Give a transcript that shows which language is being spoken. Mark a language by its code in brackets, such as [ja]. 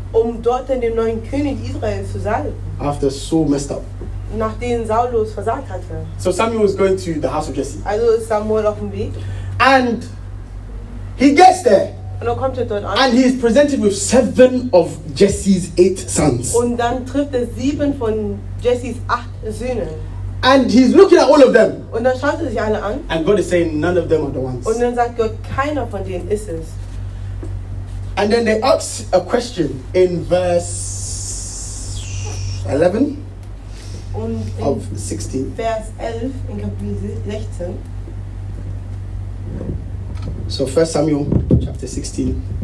[de] Um dort den neuen König Israel zu salben. [en] After Saul messed up. [de] Nachdem Saulus versagt hatte. [en] So Samuel was going to the house of Jesse. [de] Also ist Samuel auf dem Weg. [en] And he gets there. [de] Und er kommt dort an. [en] And he is presented with seven of Jesse's eight sons. [de] Und dann trifft er sieben von Jesse's acht Söhnen. [en] And he's looking at all of them. [de] Und dann schaut er sich alle an. [en] And God is saying none of them are the ones. [de] Und dann sagt Gott, keiner von denen ist es. [en] And then they ask a question in verse 11 [de] und in [en] of 16. [de] Vers 11 in Kapitel 16. [en] So 1 Samuel chapter 16.